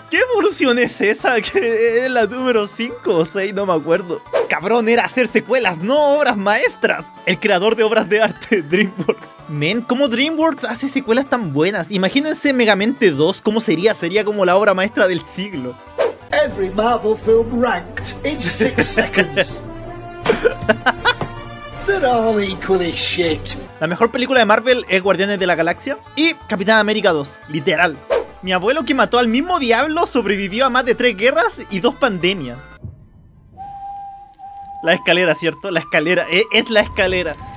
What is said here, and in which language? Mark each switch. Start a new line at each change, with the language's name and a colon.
Spanish: ¿Qué evolución es esa? ¿Que es la número 5 o 6? No me acuerdo. Cabrón, era hacer secuelas, no obras maestras. El creador de obras de arte, DreamWorks. Men, ¿cómo DreamWorks hace secuelas tan buenas? Imagínense Megamente 2, ¿cómo sería? Sería como la obra maestra del siglo.
English: Every Marvel film ranked in 6 seconds. They're all equally shit.
Spanish: La mejor película de Marvel es Guardianes de la Galaxia y Capitán América 2, literal. Mi abuelo que mató al mismo diablo sobrevivió a más de 3 guerras y 2 pandemias. La escalera, ¿cierto? La escalera, es la escalera.